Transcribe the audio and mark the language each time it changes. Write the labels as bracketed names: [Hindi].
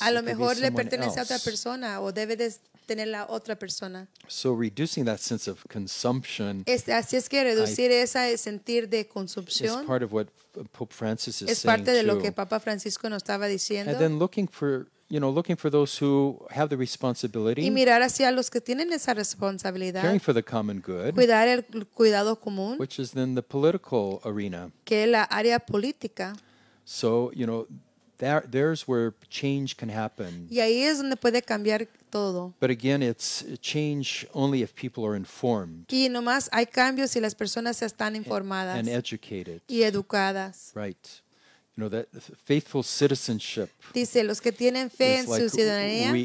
[Spanish] A lo mejor le pertenece else. A otra persona o debe de tener la otra persona. [English] So reducing that sense of consumption. [Spanish] Así es que reducir ese sentir de consumpción. [English] Is part of what Pope Francis is saying too. [Spanish] Es parte de [English] too. [Spanish] Lo que Papa Francisco nos estaba diciendo. [English] And then looking for... You know, looking for those who have the responsibility. [Spanish] Y mirar hacia los que tienen esa responsabilidad. [English] Caring for the common good. [Spanish] Cuidar el cuidado común. [English] Which is then the political arena. [Spanish] Que es la área política. [English] So, you know, there's where change can happen. [Spanish] Y ahí es donde puede cambiar todo. [English] But again, it's change only if people are informed. [Spanish] Y nomás hay cambios si las personas están informadas. [English] And educated. [Spanish] Y educadas. [English] Right. You know that faithful citizenship. [Spanish] Dice los que tienen fe en su ciudadanía.